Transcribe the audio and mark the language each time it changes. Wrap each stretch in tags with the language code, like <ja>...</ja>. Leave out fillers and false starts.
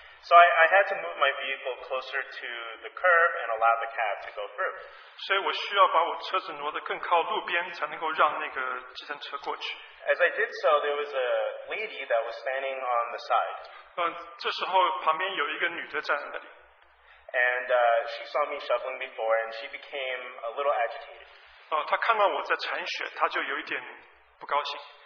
<en>So I had to move my vehicle closer to the curb and allow the cab to go through.</en> <zh>所以我需要把我车子挪得更靠路边，才能够让那个计程车过去。</zh> <en>As I did so, there was a lady that was standing on the side.</en> <zh>这时候旁边有一个女的站在那里。</zh> <en>And she saw me shoveling before, and she became a little agitated.</en> <zh>她看到我在铲雪，她就有一点不高兴。</zh>